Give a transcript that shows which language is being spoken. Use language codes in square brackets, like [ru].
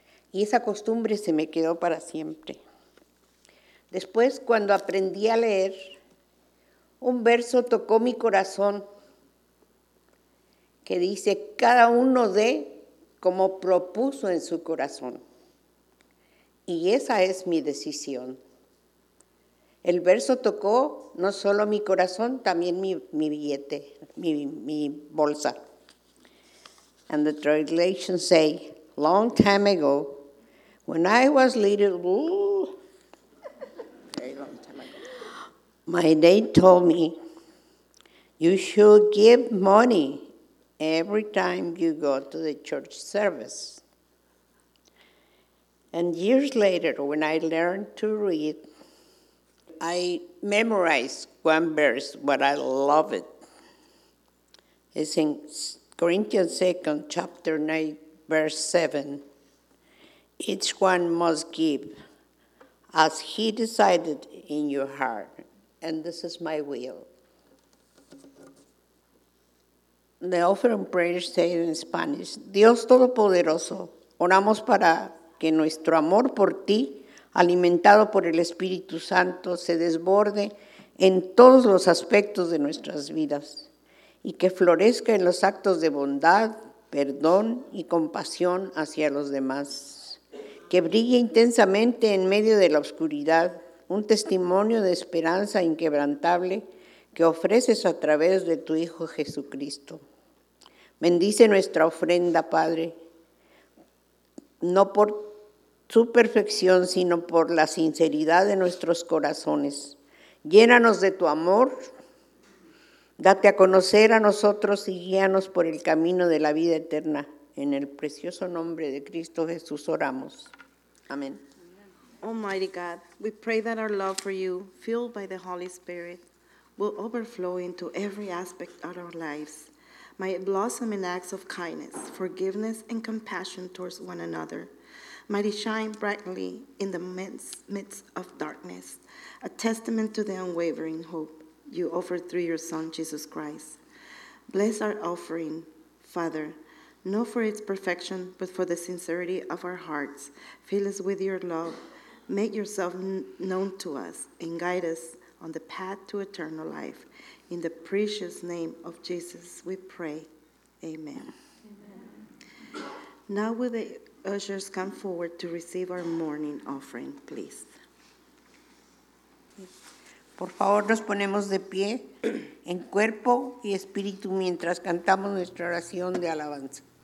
[es] Y esa costumbre se me quedó para siempre. Después, cuando aprendí a leer, un verso tocó mi corazón que dice, cada uno dé como propuso en su corazón. Y esa es mi decisión. El verso tocó no solo mi corazón, también mi billete, mi bolsa. [en] And the translation say, long time ago, when I was little, my dad told me, you should give money every time you go to the church service. And years later, when I learned to read, I memorized one verse, but I love it. It's in Corinthians 2, chapter 9, verse 7. Each one must give as he decided in your heart, and this is my will. The offering prayer said in Spanish, [es] Dios Todopoderoso, oramos para que nuestro amor por ti, alimentado por el Espíritu Santo, se desborde en todos los aspectos de nuestras vidas y que florezca en los actos de bondad, perdón y compasión hacia los demás. Que brille intensamente en medio de la oscuridad, un testimonio de esperanza inquebrantable que ofreces a través de tu Hijo Jesucristo. Bendice nuestra ofrenda, Padre, no por su perfección, sino por la sinceridad de nuestros corazones. Llénanos de tu amor, date a conocer a nosotros y guíanos por el camino de la vida eterna. En el precioso nombre de Cristo Jesús oramos. Amén. [en] Almighty God, we pray that our love for you, fueled by the Holy Spirit, will overflow into every aspect of our lives. May it blossom in acts of kindness, forgiveness, and compassion towards one another. May it shine brightly in the midst of darkness, a testament to the unwavering hope you offer through your Son, Jesus Christ. Bless our offering, Father, not for its perfection, but for the sincerity of our hearts. Fill us with your love. Make yourself known to us and guide us on the path to eternal life. In the precious name of Jesus, we pray. Amen. Amen. Now will the ushers come forward to receive our morning offering, please. [es] Por favor, nos ponemos de pie en cuerpo y espíritu mientras cantamos nuestra oración de alabanza.